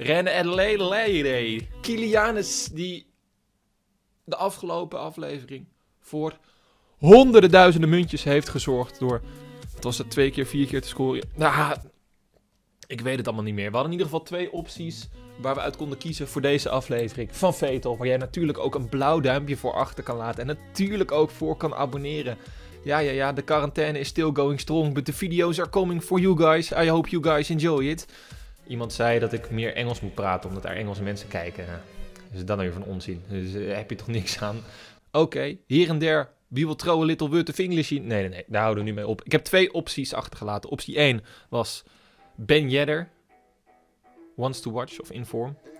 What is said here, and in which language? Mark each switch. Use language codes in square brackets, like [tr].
[nl] René Adelaide. Kilianus die de afgelopen aflevering voor honderden duizenden muntjes heeft gezorgd door, wat was dat, 2 keer, 4 keer te scoren. Nou, ik weet het allemaal niet meer. We hadden in ieder geval 2 opties waar we uit konden kiezen voor deze aflevering van Fatal. Waar jij natuurlijk ook een blauw duimpje voor achter kan laten. En natuurlijk ook voor kan abonneren. Ja, de quarantaine is [en] still going strong. But the videos are coming for you guys. I hope you guys enjoy it. [nl] Iemand zei dat ik meer Engels moet praten omdat er Engelse mensen kijken. Is dat nou weer van onzin? Dus heb je toch niks aan? Oké, hier en daar. Wie wil [en] throw a little word of English in? [nl] Nee. Daar houden we nu mee op. Ik heb 2 opties achtergelaten. Optie 1 was Ben Yedder, Wants to Watch of Inform.